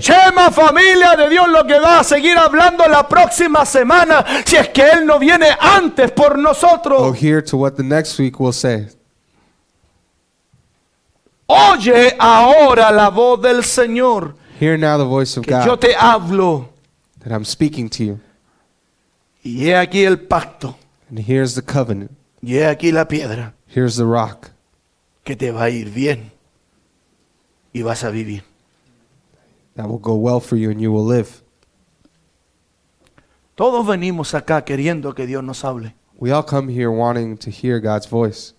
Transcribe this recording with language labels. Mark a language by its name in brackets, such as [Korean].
[Spanish] Chema, familia de Dios, lo que va a seguir hablando la próxima semana, si es que Él no viene antes por nosotros. [English] Oh, hear to what the next week will say. [Spanish] Oye ahora la voz del Señor. [English] Hear now the voice of [Spanish] que [English] God. [Spanish] Yo te hablo. [English] That I'm speaking to you. [Spanish] Y he aquí el pacto. [English] And here's the covenant. [Spanish] Y he aquí la piedra. [English] Here's the rock. [Spanish] Que te va a ir bien. Y vas a vivir. [English] that will go well for you and you will live. [Spanish] Todos venimos acá queriendo que Dios nos hable. [English] We all come here wanting to hear God's voice.